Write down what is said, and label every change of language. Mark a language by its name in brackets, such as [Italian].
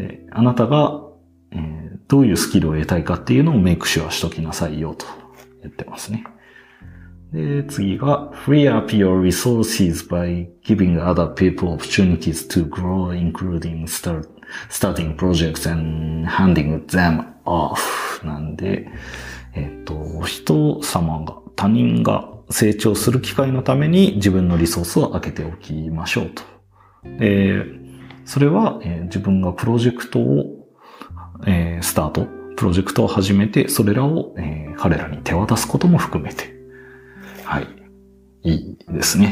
[Japanese] あなたが、どういうスキルを得たいかっていうのをメイクシュアしときなさいよと言ってますね。で、次が、 [English] free up your resources by giving other people opportunities to grow, including starting projects and handing them off. [Japanese] なんで、人様が、他人が成長する機会のために自分のリソースを開けておきましょうと。で、それは、自分がプロジェクトをスタート、プロジェクトを始めて、それらを、彼らに手渡すことも含めて。はい。いいですね。